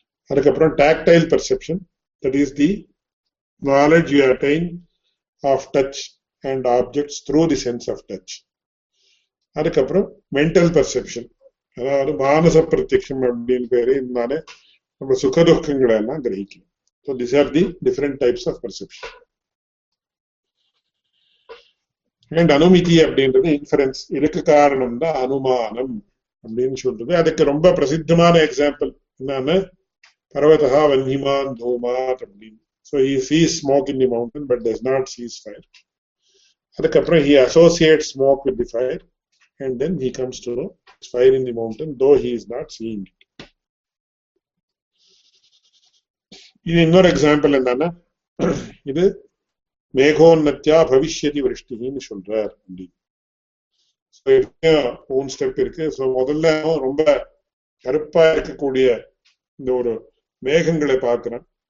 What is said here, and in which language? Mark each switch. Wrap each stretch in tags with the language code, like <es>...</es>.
<ta>அதுக்கப்புறம்</ta> <en>Tactile perception, that is the knowledge you attain of touch and objects through the sense of touch.</en> <ta>அதுக்கப்புறம் mental perception, அதாவது மானச பிரத்யக்ஷம் அப்படின்னு பேரு. இதனால நம்ம சுகதுக்கங்களை எல்லாம் கிரகிக்கணும்.</ta> <en>So these are the different types of perception.</en> <ta>And anumiti அப்படின்றது இன்ஃபரன்ஸ், இதுக்கு காரணம் தான் அனுமானம் அப்படின்னு சொல்றது. அதுக்கு ரொம்ப பிரசித்தமான எக்ஸாம்பிள் என்னன்னா</ta> <sa>பர்வதா வன்னிமான் தோமாத்</sa> <ta>அப்படின்னு.</ta> <en>So he sees smoke in the mountain but does not see fire.</en> <ta>அதுக்கப்புறம்</ta> <en>he associates smoke with the fire and then he comes to know fire in the mountain though he is not seeing it.</en> <ta>இது இன்னொரு example என்னன்னா இது</ta> <sa>மேகோன்னத்தியா பவிஷ்யதி</sa> <ta>வருஷ்டின்னு சொல்றார் அப்படின்னு.</ta> <en>one step</en> <ta>இருக்கு. So முதல்ல ரொம்ப கருப்பா இருக்கக்கூடிய இந்த ஒரு மேகங்களை பார்க்கிறேன்.</ta>